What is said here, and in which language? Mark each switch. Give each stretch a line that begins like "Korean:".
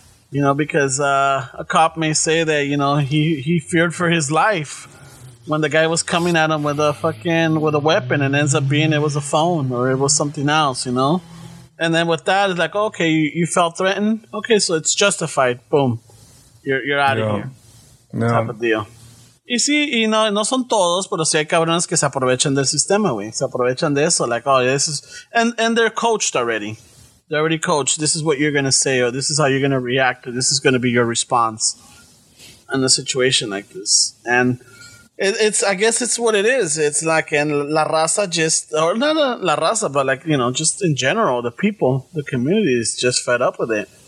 English: You know, because a cop may say that, you know, he feared for his life when the guy was coming at him with a weapon, and ends up being it was a phone or it was something else, you know? And then with that, it's like, okay, you felt threatened. Okay, so it's justified. Boom. You're out of here. Yeah. Type of deal.
Spanish: Y sí, y no son todos, pero sí hay cabrones que se aprovechan del sistema, güey. Se aprovechan de eso.
English: Like, oh, this is... And they're coached already. They're already coached. This is what you're going to say, or this is how you're going to react, or this is going to be your response in a situation like this. And it's, I guess it's what it is. It's like in la raza just, or not la raza, but like, you know, just in general, the people, the community is just fed up with it.